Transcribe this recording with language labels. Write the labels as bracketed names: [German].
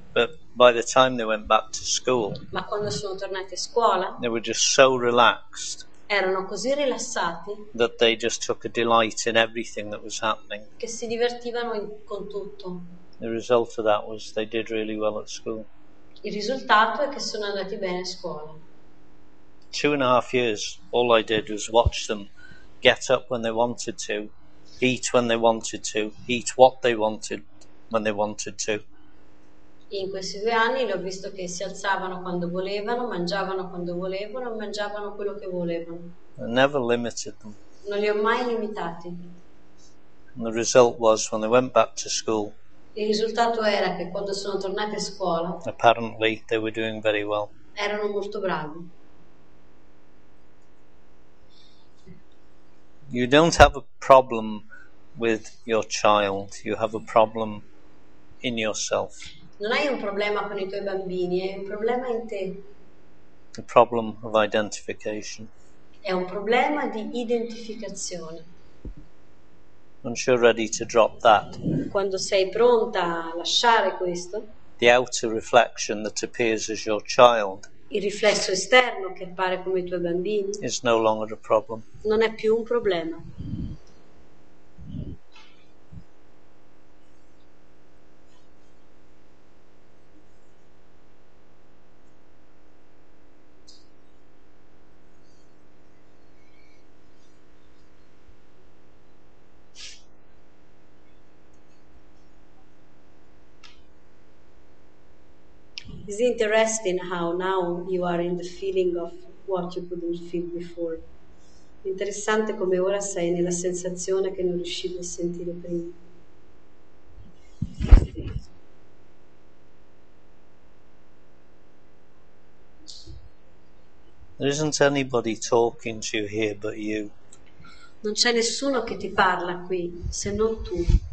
[English] But by the time they went back to school, [Italian] ma quando sono tornati a scuola, [English] they were just so relaxed. [Italian] Erano così rilassati. [English] That they just took a delight in everything that was happening. [Italian] Che si divertivano con tutto. [English] The result of that was they did really well at school. [Italian] Il risultato è che sono andati bene a scuola. [English] 2.5 years, all I did was watch them get up when they wanted to, eat when they wanted to, eat what they wanted when they wanted to. [Italian] In questi 2 anni l'ho visto che si alzavano quando volevano, mangiavano quando volevano, mangiavano quello che volevano. [English] I never limited them. [Italian] Non li ho mai limitati. [English] And the result was when they went back to school. [Italian] Il risultato era che quando sono tornati a scuola. [English] Apparently they were doing very well. [Italian] Erano molto bravi. [English] You don't have a problem with your child. You have a problem in yourself. [Italian] Non hai un problema con i tuoi bambini, hai un problema in te. [English] A problem of identification. [Italian] È un problema di identificazione. [English] Once you're ready to drop that, [Italian] quando sei pronta a lasciare questo, [English] the outer reflection that appears as your child, [Italian] il riflesso esterno che appare come i tuoi bambini, [English] is no longer a problem. [Italian] Non è più un problema. [English] It's interesting how now you are in the feeling of what you couldn't feel before. [Italian] Interessante come ora sei nella sensazione che non riuscivi a sentire prima. [English] There isn't anybody talking to you here but you. [Italian] Non c'è nessuno che ti parla qui se non tu.